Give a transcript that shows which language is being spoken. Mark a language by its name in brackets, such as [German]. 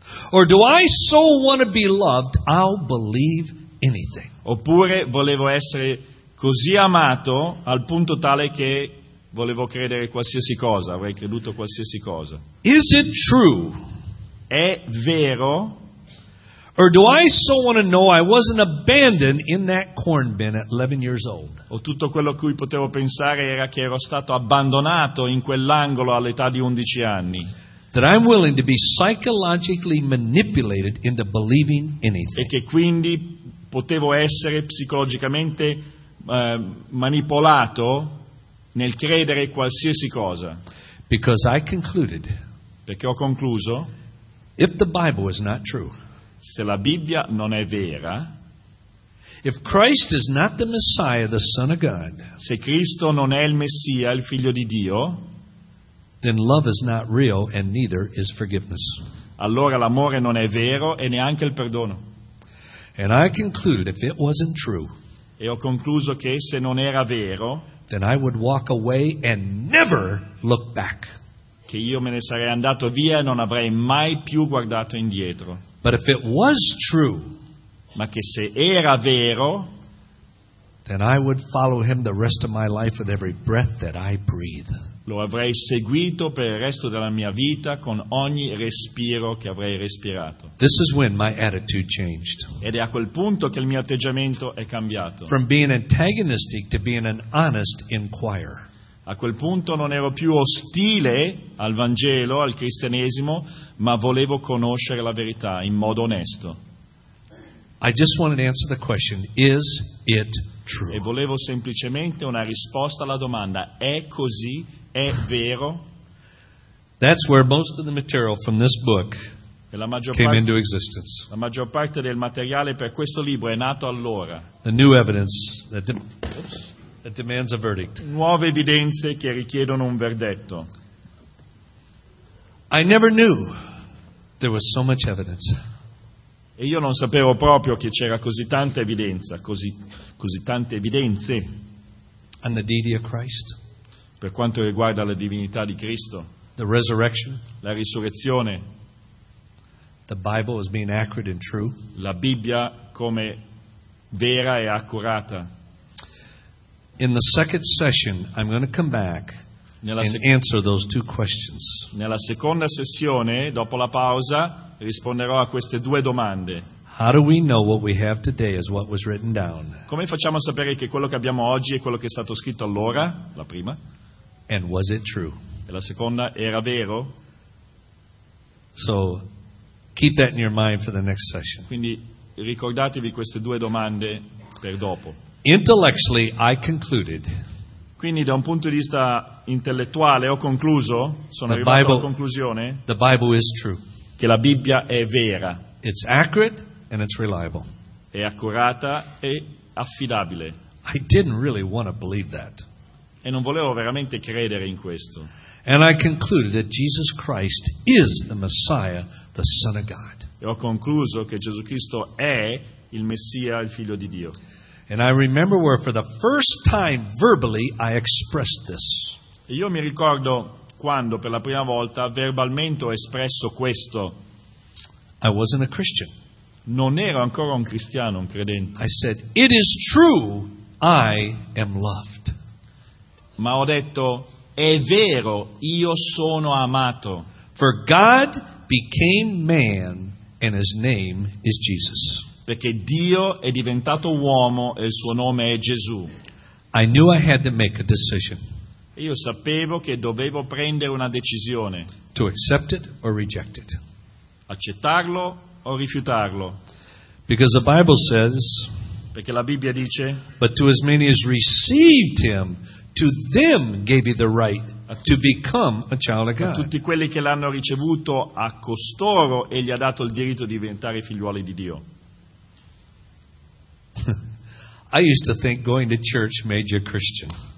[English] Or do I so want to be loved, I'll believe anything? [Italian] Oppure volevo essere così amato al punto tale che volevo credere qualsiasi cosa, avrei creduto qualsiasi cosa. [English] Is it true? [Italian] È vero? [English] Or do I so want to know I wasn't abandoned in that corn bin at 11 years old? [Italian] O tutto quello a cui potevo pensare era che ero stato abbandonato in quell'angolo all'età di 11 anni. [English] That I'm willing to be psychologically manipulated into believing anything. [Italian] E che quindi potevo essere psicologicamente manipolato nel credere qualsiasi cosa. [English] Because I concluded. [Italian] Perché ho concluso. [English] If the Bible is not true. [Italian] Se la Bibbia non è vera, [English] if Christ is not the Messiah, the Son of God, [Italian] se Cristo non è il Messia, il Figlio di Dio, [English] then love is not real and neither is forgiveness. [Italian] Allora l'amore non è vero e neanche il perdono. [English] And I concluded if it wasn't true, [Italian] e ho concluso che se non era vero, [English] then I would walk away and never look back. [Italian] Che io me ne sarei andato via e non avrei mai più guardato indietro. [English] But if it was true, [Italian] ma che se era vero, [English] then I would follow him the rest of my life with every breath that I breathe. [Italian] Lo avrei seguito per il resto della mia vita con ogni respiro che avrei respirato. [English] This is when my attitude changed. [Italian] Ed è a quel punto che il mio atteggiamento è cambiato. [English] From being antagonistic to being an honest inquirer. [Italian] A quel punto non ero più ostile al Vangelo, al cristianesimo, ma volevo conoscere la verità in modo onesto. [English] I just wanted to answer the question, is it true? [Italian] E volevo semplicemente una risposta alla domanda, è così? È vero? [English] That's where most of the material from this book came into existence. [Italian] La maggior parte del materiale per questo libro è nato allora. [English] The new evidence that it demands a verdict. [Italian] Nuove evidenze che richiedono un verdetto. [English] I never knew there was so much evidence. [Italian] E io non sapevo proprio che c'era così tanta evidenza, così tante evidenze. [English] On the deity of Christ. [Italian] Per quanto riguarda la divinità di Cristo. [English] The resurrection. [Italian] La risurrezione. [English] The Bible as being accurate and true. [Italian] La Bibbia come vera e accurata. [English] In the second session, I'm going to come back and answer those two questions. [Italian] Nella seconda sessione, dopo la pausa, risponderò a queste due domande. [English] How do we know what we have today is what was written down? [Italian] Come facciamo a sapere che quello che abbiamo oggi è quello che è stato scritto allora, la prima? [English] And was it true? [Italian] E la seconda, era vero? [English] So, keep that in your mind for the next session. [Italian] Quindi, ricordatevi queste due domande per dopo. [English] intellectually I concluded. [Italian] Quindi da un punto di vista intellettuale ho concluso, sono arrivato alla conclusione. [English] The Bible is true. [Italian] Che la Bibbia è vera. [English] It's accurate and it's reliable. [Italian] È accurata e affidabile. [English] I didn't really want to believe that. [Italian] E non volevo veramente credere in questo. [English] And I concluded that Jesus Christ is the Messiah, the Son of God. [Italian] E ho concluso che Gesù Cristo è il Messia, il Figlio di Dio. [English] And I remember where for the first time verbally I expressed this. [Italian] E io mi ricordo quando per la prima volta verbalmente ho espresso questo. [English] I wasn't a Christian. [Italian] Non ero ancora un cristiano, un credente. [English] I said, "It is true, I am loved." [Italian] Ma ho detto, "È vero, io sono amato." [English] For God became man and his name is Jesus. [Italian] Perché Dio è diventato uomo e il suo nome è Gesù. [English] I knew I had to make a decision. [Italian] Io sapevo che dovevo prendere una decisione. [English] To accept it or reject it. [Italian] Accettarlo o rifiutarlo. [English] Because the Bible says, [Italian] perché la Bibbia dice, [English] but to as many as received him, to them gave he the right to become a child of God. [Italian] A tutti quelli che l'hanno ricevuto, a costoro egli ha dato il diritto di diventare figliuoli di Dio. [English] I used to think going to church made you a Christian.